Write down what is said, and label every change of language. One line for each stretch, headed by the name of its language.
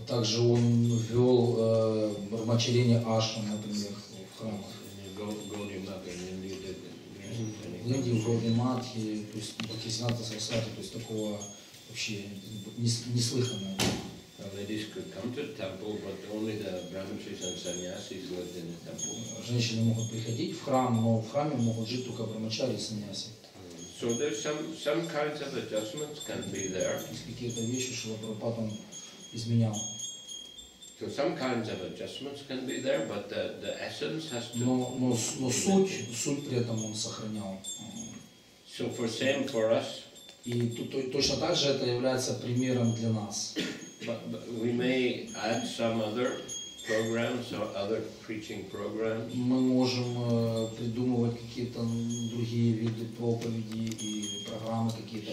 Russian: Также он ввел Брахмачарини ашрам, например, в храмах.
English: In the Gaudiya Math, in India,
Russian: в Индии, в Gaudiya Math, то есть Бхактисиддханта Сарасвати, то есть такого вообще неслыханного.
English: Ladies could come to the temple, but only the brahmacharis and sannyasis lived in the temple.
Russian: Женщины могут приходить в храм, но в храме могут жить только брахмачари и саньяси.
English: So there's some kinds of adjustments can be there.
Russian: Какие-то вещи, что Прабхупад он изменял.
English: So some kinds of adjustments can be there, but the essence has to.
Russian: Но суть при этом он сохранял.
English: So for same for us.
Russian: И точно так же это является примером для нас.
English: But we may add some other programs or other preaching programs.
Russian: Мы можем придумывать какие-то другие виды проповеди и программы какие-то.